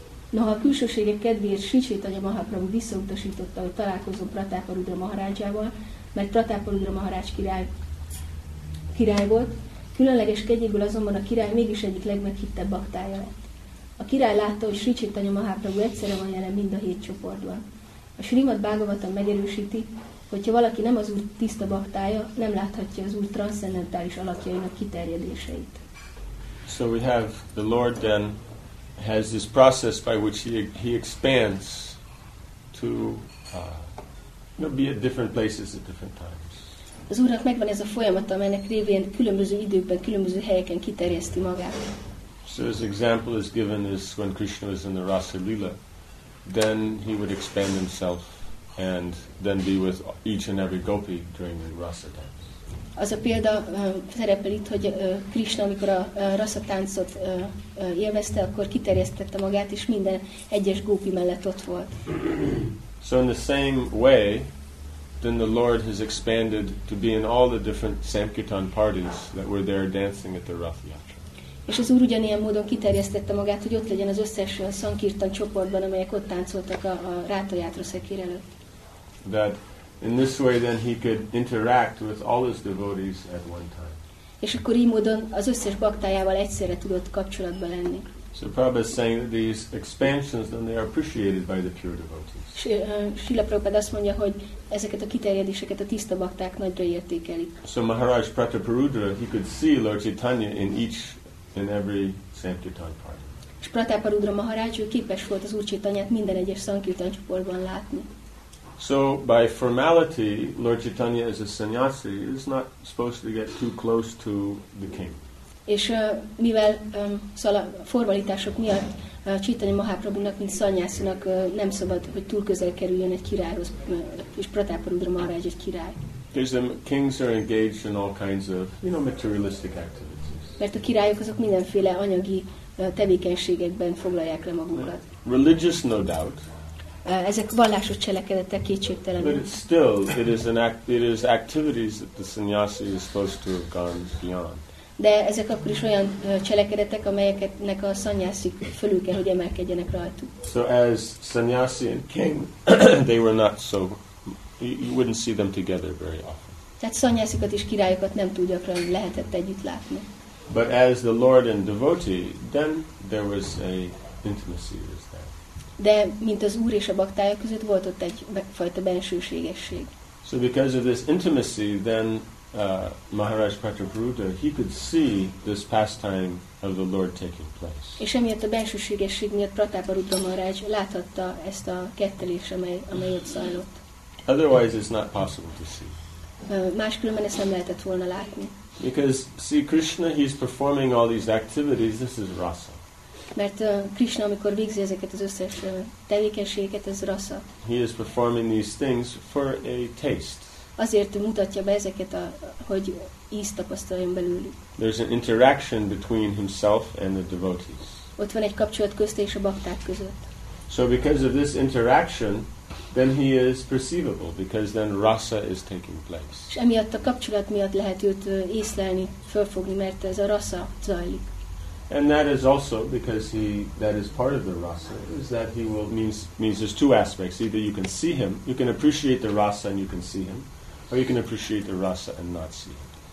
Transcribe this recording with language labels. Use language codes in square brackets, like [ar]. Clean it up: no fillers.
[hu] Noha a külsőségek kedvéért Sri Chaitanya Mahaprabhu visszautasította, hogy találkozom Pratápaludra Maharádzsával, mert Pratápaludra Maharádzs király volt, különleges kegyéből azonban a király mégis egyik legmeghittebb baktája lett. A király látta, hogy Sri Chaitanya Mahaprabhu egyszerre van jelen mind a hét csoportban. A Srimad Bhagavatam megerősíti, hogyha valaki nem az Úr tiszta baktája, nem láthatja az Úr transzcendentális alakjainak kiterjedéseit. [en] So we have the Lord then has this process by which he expands to be at different places at different times. [hu] Az Úrnak megvan ez a folyamata, amelynek révén különböző időkben, különböző helyeken kiterjeszti magát. [en] So his example is given is when Krishna was in the Rasa Lila, then he would expand himself and then be with each and every gopi during the Rasa dance. [hu] Az a példa szerepel itt, hogy Krishna, amikor a Rasa táncot élvezte, akkor kiterjesztette magát, és minden egyes gopi mellett ott volt. [en] So in the same way, then the Lord has expanded to be in all the different Sankirtan parties that were there dancing at the Rathya. [hu] És az Úr ugyanilyen módon kiterjesztette magát, hogy ott legyen az összes szankirtan csoportban, amelyek ott táncoltak a Rátajátra szekér előtt. [en] That in this way then he could interact with all his devotees at one time. [hu] És akkor így módon az összes baktájával egyszerre tudott kapcsolatban lenni. [en] So Prabhupada is saying that these expansions then they are appreciated by the pure devotees. [hu] Srila Prabhupada azt mondja, hogy ezeket a kiterjedéseket a tiszta bakták nagyra értékelik. [en] So Maharaj Prataparudra, he could see Lord Chaitanya in each in every Sankirtan party. [hu] És Prataparudra Maharaj képes volt az Úr Chaitanyát minden egyes Sankirtan csoportban látni. [en] So by formality, Lord Chaitanya as a sannyasi is not supposed to get too close to the king. [hu] És mivel formalitások miatt Chaitanya Mahaprabhunak, mint szanyászinak nem szabad, hogy túl közel kerüljön egy királyhoz, és Prataparudra Maharaj egy király. [en] Because the kings are engaged in all kinds of, materialistic activities. [hu] Mert a királyok azok mindenféle anyagi tevékenységekben foglalják le magukat. [en] Religious, no doubt. [hu] Ezek vallásos cselekedetek kétségtelenül. [en] But still, it is activities that the sannyasi is supposed to have gone beyond. [hu] De ezek akkor is olyan cselekedetek, amelyeknek a sannyasi fölül kell, hogy emelkedjenek rajtuk. [en] So as sannyasi and king, they were not so. You wouldn't see them together very often. [hu] Tehát sannyasikat és királyokat nem túl gyakran lehetett együtt látni. [en] But as the Lord and devotee, then there was a intimacy was there. [hu] De mint az Úr és a baktája között volt ott egy fajta bensőségesség. [en] So because of this intimacy, then Maharaj Prataparudra, he could see this pastime of the Lord taking place. [hu] És emiatt a bensőségesség miatt Prataparudra Maharaj láthatta ezt a kettelés, amely ott zajlott. [en] Otherwise it's not possible to see. [hu] Máskülönben ezt nem lehetett volna látni. [en] Because see Krishna, he's performing all these activities. This is rasa. [hu] Mert Krishna, amikor végzi ezeket az összes tevékenységeket, ez rasa. [en] He is performing these things for a taste. [hu] azért mutatja be ezeket, hogy ízt tapasztaljon belőlük. [en] There's an interaction between himself and the devotees. [hu] Ott van egy kapcsolat közt és a bakták között. [en] So because of this interaction, then he is perceivable, because then rasa is taking place. [hu] És emiatt a kapcsolat miatt lehet őt észlelni, fölfogni, mert ez a rasa zajlik. [en] And that is also because that is part of the rasa, is that he will means there's two aspects. Either you can see him, you can appreciate the rasa and you can see him, or you can appreciate the rasa and not see him.